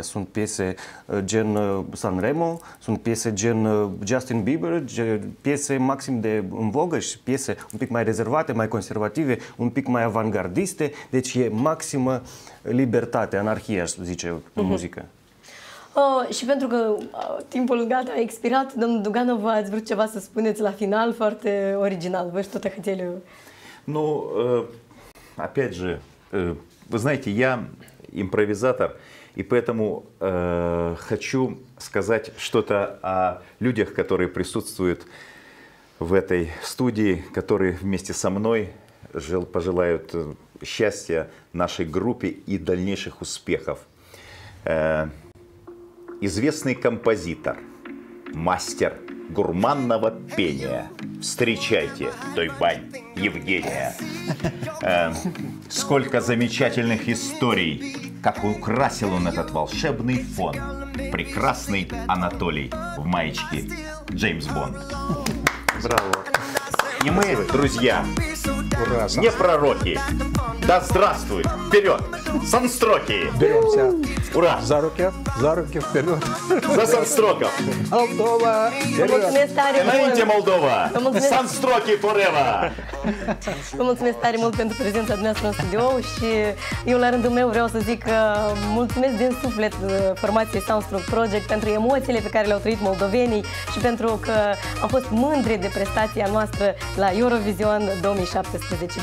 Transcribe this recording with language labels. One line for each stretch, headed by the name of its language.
Romanian: Sunt piese gen San Remo, sunt piese gen Justin Bieber, piese maxim de în vogă și piese un pic mai rezervate, mai conservative, un pic mai avantgardiste. Deci e maximă libertate, anarhie, aș zice, în muzică. Și pentru că timpul gata a expirat, domnul Duganov, ați vrut ceva să spuneți la final, foarte original. Vă știu, tot ele... Nu...
Russian: Опять же, вы знаете, я импровизатор, и поэтому хочу сказать что-то о людях, которые присутствуют в этой студии, которые вместе со мной пожелают счастья нашей группе и дальнейших успехов. Известный композитор, мастер гурманного пения. Встречайте, Тойбан Евгения. Сколько замечательных историй, как украсил он этот волшебный фон. Прекрасный Анатолий в маечке Джеймс Бонд. Браво. И мы, друзья, не пророки. Да здравствуй! Вперед! Санстроки! Беремся! Ура! За руки вперед! За санстроков! Молдова!
Romanian: Înainte, Молдова! Санстроки forever! Vă mulțumesc tare mult pentru prezența dumneavoastră în studio și eu la rândul meu vreau să zic că mulțumesc din suflet formației Soundstruck Project pentru emoțiile pe care le-au trăit moldovenii și pentru că am fost mândri de prestația noastră la Eurovision 2017.